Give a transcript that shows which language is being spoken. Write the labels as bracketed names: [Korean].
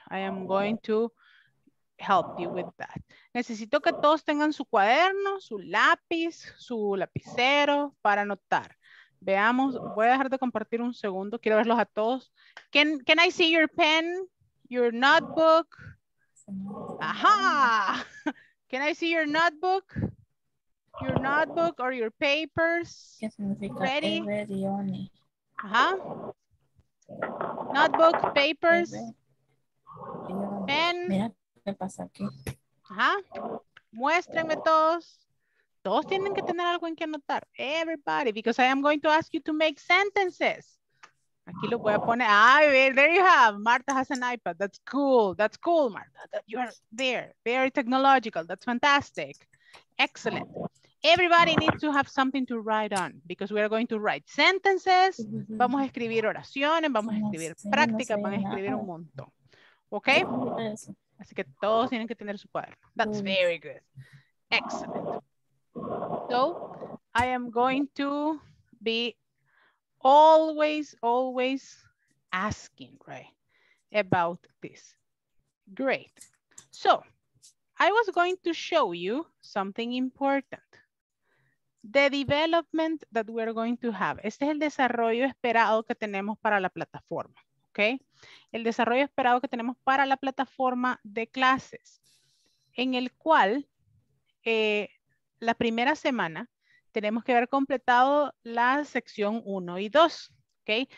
[English] I am going to help you with that. [Spanish] Necesito que todos tengan su cuaderno, su lápiz, su lapicero para anotar. Veamos, voy a dejar de compartir un segundo. Quiero verlos a todos. [English] Can I see your pen, your notebook? Aha! Can I see your notebook? Your notebook or your papers? [Spanish] ¿Qué significa? [English] Ready? Aha! Notebook, papers, pen. [Spanish] Mira, ¿qué pasa aquí? Ajá. Muéstrenme todos. Todos tienen que tener algo en que anotar. [English] Everybody, because I am going to ask you to make sentences. [Spanish] Aquí lo voy a poner. [English] Ah, there you have. Marta has an iPad. That's cool. That's cool, Marta. You are there. Very technological. That's fantastic. Excellent. Everybody needs to have something to write on because we are going to write sentences. Mm-hmm. [Spanish] Vamos a escribir oraciones. Vamos a escribir prácticas. Vamos a escribir un montón. Okay? Así que todos tienen que tener su cuaderno. [English] That's very good. Excellent. So, I am going to be always, always asking, right, about this. Great. So, I was going to show you something important. The development that we're going to have. [Spanish] Este es el desarrollo esperado que tenemos para la plataforma, okay? El desarrollo esperado que tenemos para la plataforma de clases, en el cual la primera semana tenemos que haber completado la sección 1 y 2, ¿ok?